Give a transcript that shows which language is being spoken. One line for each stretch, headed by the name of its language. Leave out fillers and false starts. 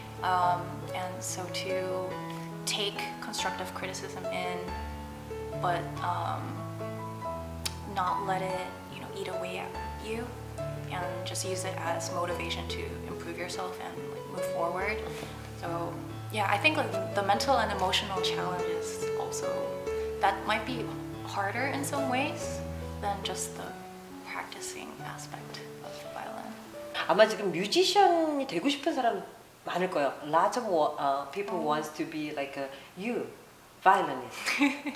English: And so to take constructive criticism in, but not let it, you know, eat away at you and just use it as motivation to improve yourself and like, move forward. So yeah, I think like, the mental and emotional challenges also, that might be harder in some ways than just the practicing aspect of the violin.
Korean: 아마 지금 뮤지션이 되고 싶은 사람 많을 거예요.
English: Lots of people wants to be like a you, violinist.